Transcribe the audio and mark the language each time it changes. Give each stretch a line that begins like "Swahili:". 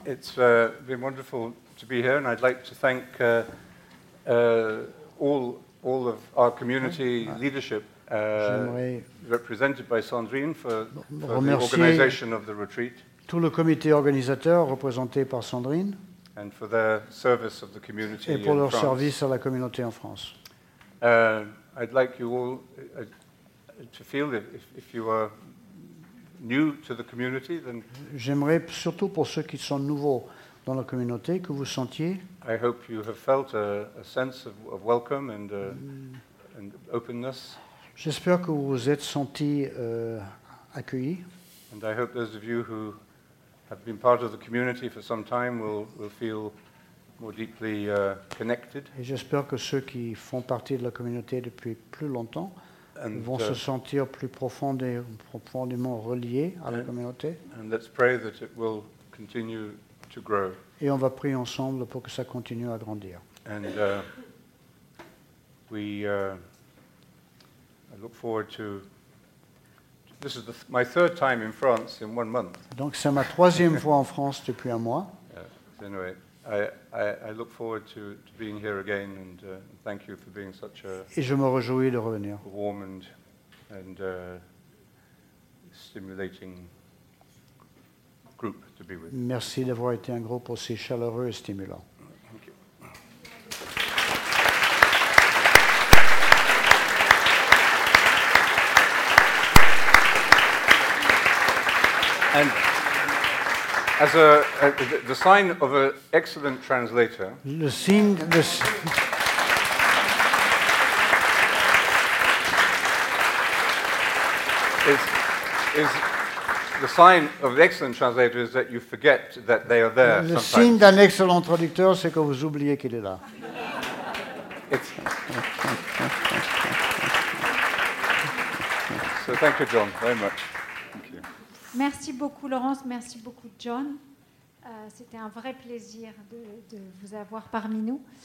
English: It's been wonderful to be here, and I'd like to thank all of our community leadership, represented by Sandrine, for the organization of the retreat.
French: Tout le comité organisateur représenté par Sandrine.
English: And for their service of the community
French: et pour
English: in
French: leur France. Service à la communauté en France.
English: I'd like you all to feel that if you are new to the community, then
French: j'aimerais surtout pour ceux qui sont nouveaux dans la communauté que vous sentiez.
English: I hope you have felt a sense of welcome and openness.
French: J'espère que vous êtes senti accueilli.
English: And I hope those of you who have been part of the community for some time will feel more deeply connected.
French: Et j'espère que ceux qui font partie de la communauté depuis plus longtemps and, vont se sentir plus profondément reliés à la communauté.
English: And let's pray that it will continue to grow.
French: Et on va prier ensemble pour que ça continue à grandir.
English: And I look forward to. This is my third time in France in 1 month.
French: Donc c'est ma troisième fois en France depuis un mois.
English: Yeah. So anyway, I look forward to being here again and thank you for being such a
French: et je me réjouis de revenir.
English: Warm and and stimulating group to be with.
French: Merci d'avoir été un groupe aussi chaleureux et stimulant.
English: And as the sign of an excellent translator, is that you forget that they are there.
French: Le signe d'un excellent traducteur, c'est que vous oubliez qu'il est là.
English: So thank you, John, very much.
French: Merci beaucoup, Laurence. Merci beaucoup, John. C'était un vrai plaisir de vous avoir parmi nous.